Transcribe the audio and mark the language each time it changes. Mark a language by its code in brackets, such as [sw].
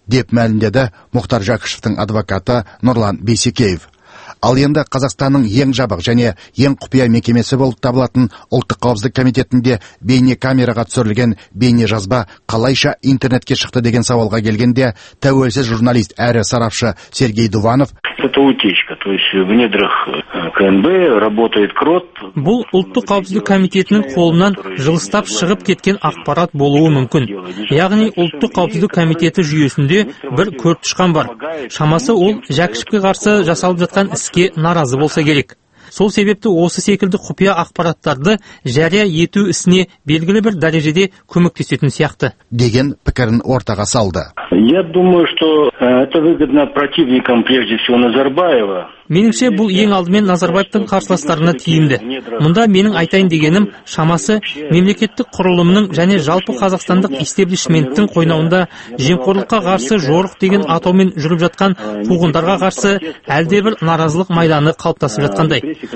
[kk] деп мәлімдеді Мұхтар Жәкішевтің адвокаты Нұрлан Бейсекеев. Ал енді Қазақстанның ең жабық және ең құпия мекемесі болып табылатын Ұлттық қауіпсіздік комитетінде бейне камераға түсірілген бейне жазба қалайша интернетке шықты деген сауалға келгенде тәуелсіз журналист әрі сарапшы Сергей Дуванов: [ru] «Это утечка, то есть в недрах КНБ работает крот». [kk] Бұл Ұлттық қауіпсіздік комитетінің қолынан жылыстап шығып кеткен ақпарат болуы мүмкін. Яғни Ұлттық қауіпсіздік комитеті жүйесінде бір көртішқан бар. Шамасы ол Жәкішевке қарсы жасалып жатқан іске наразы болса керек. Сол себепті осы секілді құпия ақпараттарды жария ету ісіне белгілі бір дәрежеде көмектесетін сияқты деген пікірін ортаға салды. [ru] Я думаю, что это выгодно противникам прежде всего Назарбаева. [kk] Меніңше бұл ең алдымен Назарбаевтың қарсыластарына тиімді. Мұнда менің айтайын дегенім, шамасы мемлекеттік құрылымның және жалпы қазақстандық истеблишменттің қойнауында жемқорлыққа қарсы жорық деген атаумен жүріп жатқан қуғындарға қарсы әлдебір наразылық майданы қалыптасып жатқандай.